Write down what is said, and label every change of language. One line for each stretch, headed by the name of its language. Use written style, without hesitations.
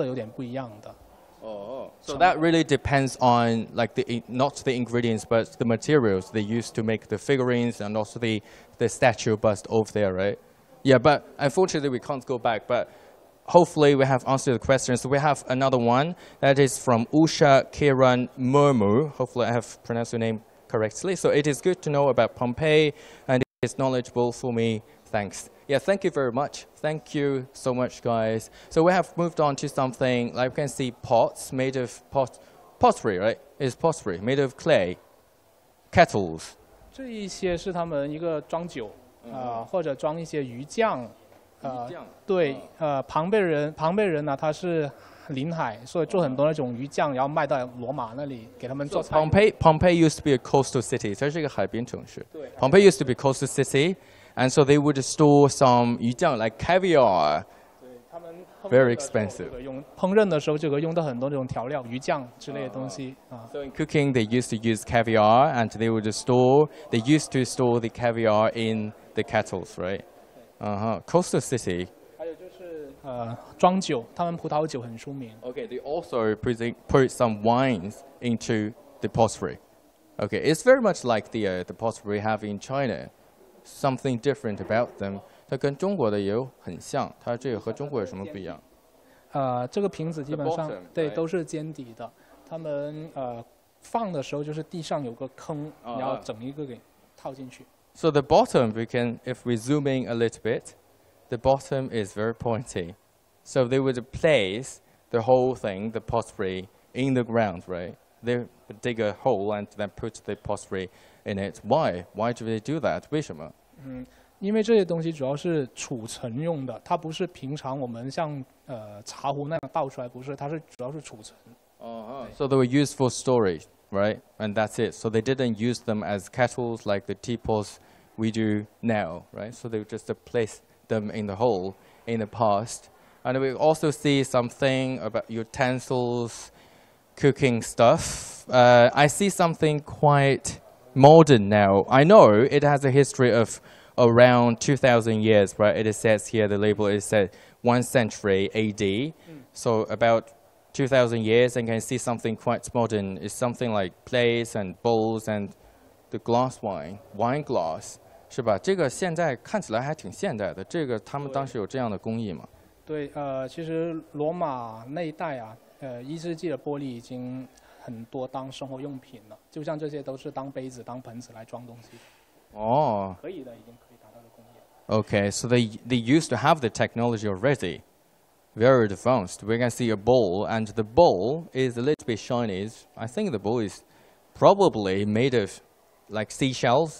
Chinese: 保存环境还有就是它本身的成分会造成它颜色有点不一样的。哦，
English: so that really depends on like the not the ingredients but the materials they used to make the figurines and also the statue bust over there, right? Yeah, but unfortunately we can't go back. But hopefully we have answered the question. So we have another one that is from Usha Kiran Murmu. Hopefully I have pronounced your name correctly. So it is good to know about Pompeii, and it is knowledgeable for me. Thanks. Yeah, thank you very much. Thank you so much, guys. So we have moved on to something, like we can see pots made of pottery, right? It's pottery, made of clay. Kettles.
Chinese: 这一些是他们一个装酒,或者装一些鱼酱。鱼酱。对,庞贝人呢,他是临海，所以做很多那种鱼酱，然后卖到罗马那里给他们做菜。
English: So, Pompeii used to be a coastal city，
Chinese: 它是一个海边城市。
English: Pompeii used to be a coastal city， and so they would store some 鱼酱 like caviar。 Very expensive.
Chinese: 烹饪的时候就可以用到很多这种调料、鱼酱之类的东西。
English: So in cooking, they used to use caviar, and they would store. They used to store the caviar in the kettles, right? Coastal city.
Chinese: 还有就是装酒，他们葡萄酒很出名。
English: Okay, they also put some wines into the pottery. Okay, it's very much like the pottery we have in China. Something different about them.
Chinese: 它跟中国的也有很像，它这个和中国有什么不一样？这个瓶子基本上
English: the bottom,
Chinese: 对、
English: right.
Chinese: 都是尖底的，他们放的时候就是地上有个坑，然后整一个给套进去。
English: So the bottom, if we zoom in a little bit, the bottom is very pointy. So they would place the whole thing, the pottery, in the ground, right? They dig a hole and then put the pottery in it. Why? Why do they do that?
Chinese: 为什么？因为这些东西主要是储存用的，它不是平常我们像茶壶那样倒出来，不是，它是主要是储存。
English: So they were used for storage, right? And that's it. So they didn't use them as kettles like the teapots we do now, right? So they just place them in the hole in the past. And we also see something about utensils, cooking stuff. I see something quite modern now. I know it has a history of. Around 2,000 years, right? It says here, the label, it said 1 century AD. So about 2,000 years, and can see something quite modern. It's something like plates and bowls and the glass wine glass.
Chinese: 是吧？这个现在看起来还挺现代的。这个他们当时有这样的工艺吗？对，其实罗马那一带啊，一世纪的玻璃已经很多当生活用品了。就像这些都是当杯子、当盆子来装东西的。
English: Okay, so they used to have the technology already, very advanced. We can see a bowl, and the bowl is a little bit shiny. I think the bowl is probably made of like seashells.